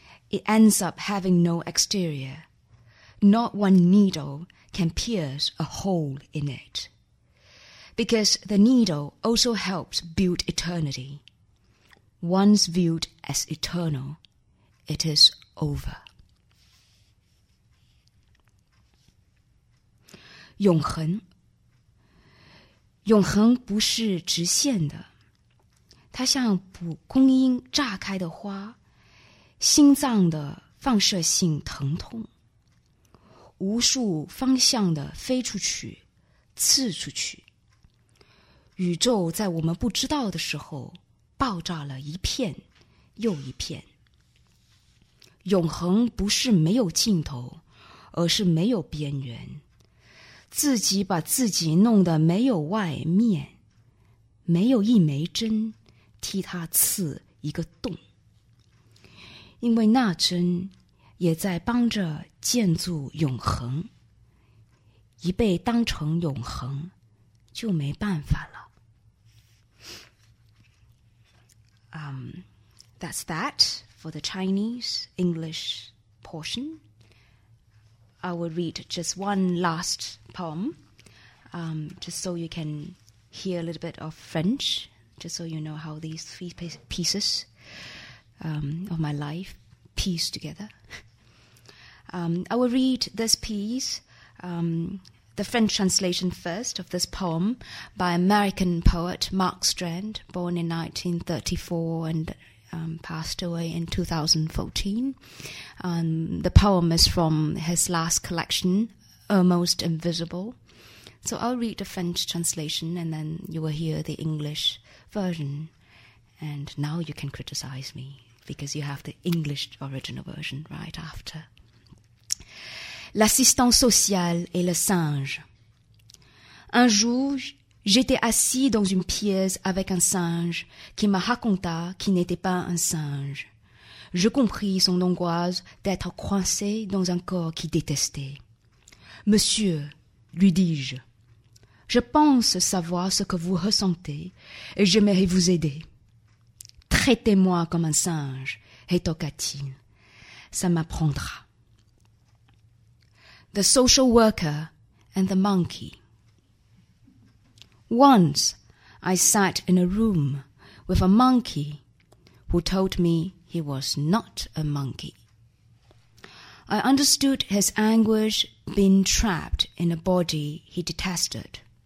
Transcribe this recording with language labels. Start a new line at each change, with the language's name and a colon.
English: It ends up having no exterior. Not one needle can pierce a hole in it. Because the needle also helps build eternity. Once viewed as eternal, it is over.
Chinese: 永恒，永恒不是直线的，它像蒲公英炸开的花，心脏的放射性疼痛，无数方向的飞出去，刺出去。宇宙在我们不知道的时候，爆炸了一片又一片。永恒不是没有尽头，而是没有边缘。自己把自己弄得没有外面，没有一枚针替他刺一个洞，因为那针也在帮着建筑永恒。一被当成永恒，就没办法了。
English: That's that for the Chinese English portion. I will read just one last poem, just so you can hear a little bit of French, just so you know how these three pieces, of my life piece together. I will read this piece, the French translation first of this poem by American poet Mark Strand, born in 1934 and passed away in 2014. The poem is from his last collection, Almost Invisible. So I'll read the French translation and then you will hear the English version. And now you can criticize me because you have the English original version right after.
French: L'assistant social et le singe. Un jour, j'étais assis dans une pièce avec un singe qui me raconta qu'il n'était pas un singe. Je compris son angoisse d'être coincé dans un corps qu'il détestait. « Monsieur, lui dis-je, je pense savoir ce que vous ressentez et j'aimerais vous aider. Traitez-moi comme un singe, rétorqua-t-il. Ça m'apprendra. »
English: The social worker and the monkey. Once I sat in a room with a monkey who told me he was not a monkey. I understood his anguish being trapped in a body he detested.